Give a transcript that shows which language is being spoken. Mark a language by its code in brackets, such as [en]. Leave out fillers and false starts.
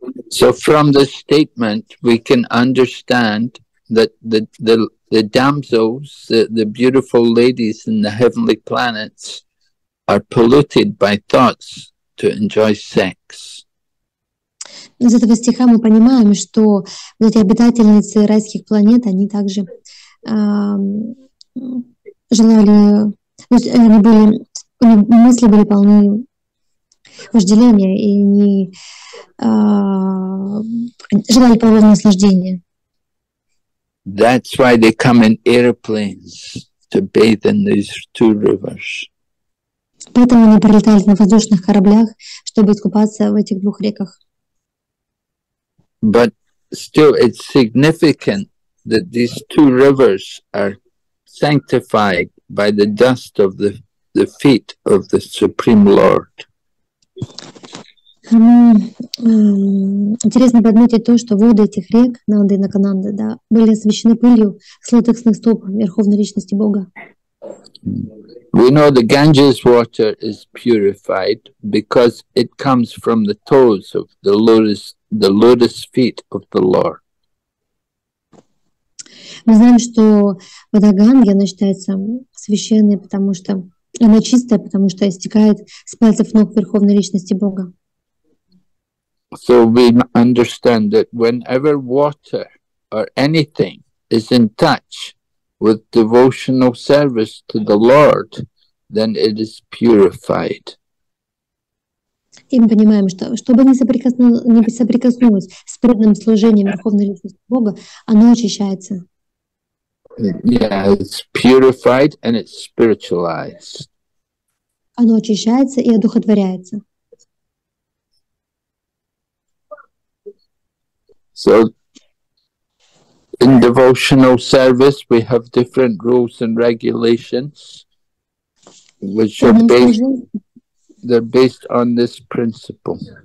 [en] So from the statement we can understand that the damsels, the beautiful ladies in the heavenly planets are polluted by thoughts to enjoy sex. [ru] Из этого стиха мы понимаем, что эти обитательницы райских планет, они также желали, они были, у них мысли были полны вожделения, и они желали полного наслаждения. [en] That's why they come in airplanes to bathe in these two rivers. [ru] Поэтому они прилетали на воздушных кораблях, чтобы искупаться в этих двух реках. [en] But still it's significant that these two rivers are sanctified by the dust of the feet of the Supreme Lord. [ru] Интересно подметить то, что воды этих рек, Нанды и Накананды, да, были освящены пылью золотых стоп Верховной Личности Бога. [en] We know the Ganges water is purified because it comes from the toes of the lotus feet of the Lord. [ru] Мы знаем, что вода Ганги, она считается священной, потому что она чистая, потому что истекает с пальцев ног Верховной Личности Бога. [en] So we understand that whenever water or anything is in touch with devotional service to the Lord, then it is purified. [ru] И мы понимаем, что чтобы не соприкоснулось с преданным служением Верховной Личности Бога, оно очищается. [en] Yeah, it's purified and it's spiritualized. [ru] Оно очищается и одухотворяется. [en] So, in devotional service, we have different rules and regulations, which are based, they're based on this principle.